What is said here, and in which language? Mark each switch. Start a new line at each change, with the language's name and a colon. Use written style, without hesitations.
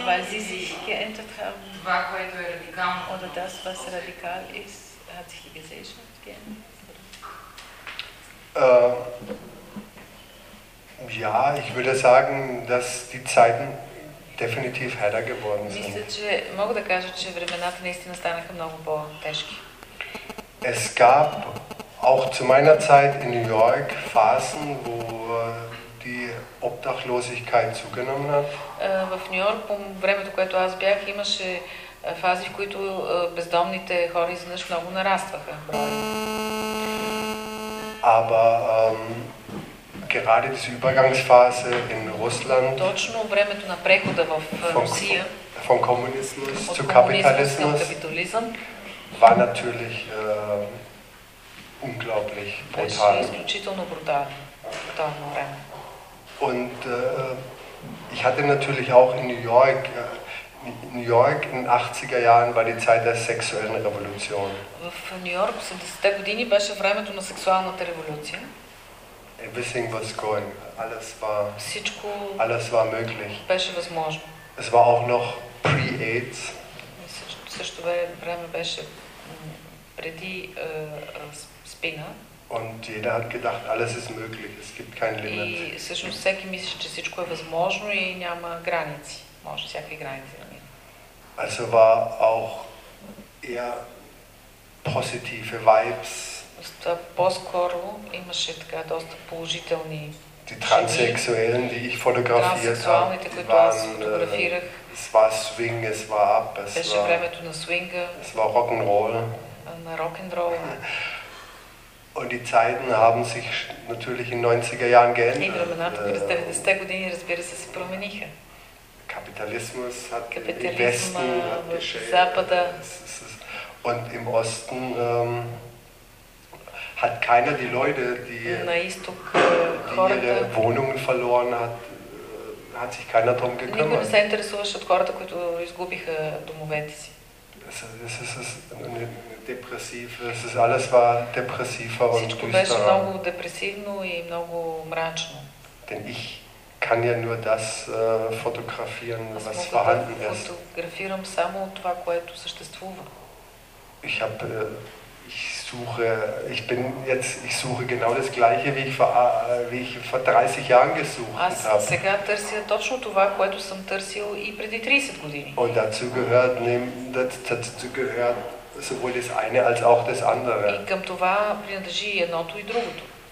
German: Weil sie sich geändert haben.
Bulgarian: Това, което е радикално.
German: Oder das, was radikal ist, hat sich die Gesellschaft geändert. Ja, ich würde sagen, dass die Zeiten definitiv härter geworden sind.
Bulgarian: Мисля, че мога да кажа, че времената наистина станаха много по-тежки.
German: Es gab auch zu meiner Zeit in New York Phasen, wo die Obdachlosigkeit zugenommen hat.
Bulgarian: В Нью-Йорк, по времето, което аз бях, имаше фази, в които бездомните хора изведнъж много нарастваха.
German: Aber gerade diese Übergangsphase in Russland.
Bulgarian: Точно времето на прехода в Русия.
German: Von Kommunismus zu Kapitalismus.
Bulgarian: Капитализъм.
German: War natürlich unglaublich brutal.
Bulgarian: Изключително брутално в това време.
German: Und ich hatte natürlich auch in New York, New York in 80er Jahren war die Zeit der sexuellen Revolution.
Bulgarian: В Нью Йорк в 80-те години беше времето на сексуалната революция.
English: Everything was going.
Bulgarian: Всичко
German: alles war möglich.
Bulgarian: Беше възможно.
German: Es war auch noch pre-AIDS.
Bulgarian: Също време беше преди спина.
German: Und jeder hat gedacht, alles ist möglich. Es gibt kein limit.
Bulgarian: И всъщност всеки мислеше, че всичко е възможно и няма граници. Може всякакви граници да мине.
German: Also war auch eher
English: positive vibes.
Bulgarian: По-скоро имаше така доста положителни.
German: Die transsexuellen, die ich fotografiert habe,
Bulgarian: fotografierах.
German: Es war
English: swing,
German: es war
English: up,
German: es
Bulgarian: беше
German: war
Bulgarian: времето на свинга.
German: Es war rock and roll.
Bulgarian: На рок н рол.
German: Und die Zeiten haben sich natürlich in 90er Jahren geändert.
Bulgarian: И времената през 90-те години, разбира се, се промениха.
German: Kapitalismus hat im Westen
Bulgarian: Запада.
German: Und im Osten hat keiner die Leute, die ihre Wohnungen verloren hat, hat sich keiner drum gekümmert.
Bulgarian: Никой не се интересуваше от хората, които изгубиха домовете си.
German: Es ist alles war depressiver und düster.
Bulgarian: Всичко беше много депресивно и много мрачно.
German: Denn ich kann ja nur das fotografieren, was vorhanden ist.
Bulgarian: Аз фотографирам само това, което съществува.
German: Ich habe ich suche genau das gleiche, wie ich vor 30 Jahren gesucht habe.
Bulgarian: Аз сега търся точно това, което съм търсил и преди 30 години.
German: Und dazu gehört, dazu gehört sowohl das eine als auch das andere.
Bulgarian: И към това принадлежи и едното и другото.